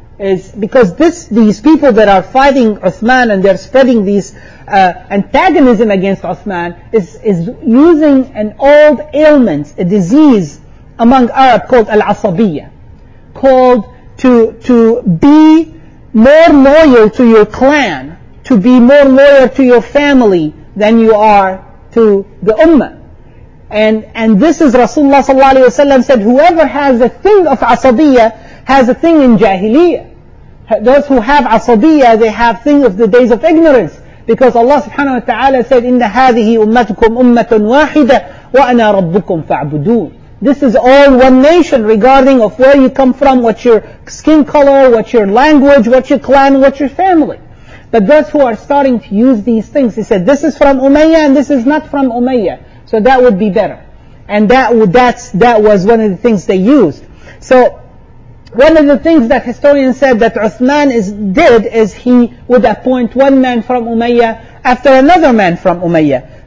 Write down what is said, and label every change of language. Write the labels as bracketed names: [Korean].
[English] Because these people that are fighting Uthman and they're spreading these antagonism against Uthman is using an old ailment, a disease among Arab called al-asabiyya, called to be more loyal to your clan, to be more loyal to your family than you are to the ummah. And this is Rasulullah sallallahu alayhi wa sallam said, whoever has a thing of asabiyya has a thing in jahiliyyah. Those who have asabiyya, they have things of the days of ignorance. Because Allah subhanahu wa ta'ala said, [Arabic] إِنَّ هَذِهِ أُمَّتُكُمْ أُمَّةٌ وَاحِدَةٌ وَأَنَا رَبُّكُمْ فَاعْبُدُونَ. [English] This is all one nation, regarding of where you come from, what your skin color, what your language, what your clan, what your family. But those who are starting to use these things, they said, this is from Umayyah and this is not from Umayyah. So that would be better. And that was one of the things they used. So one of the things that historians said that Uthman did is he would appoint one man from Umayyah after another man from Umayyah.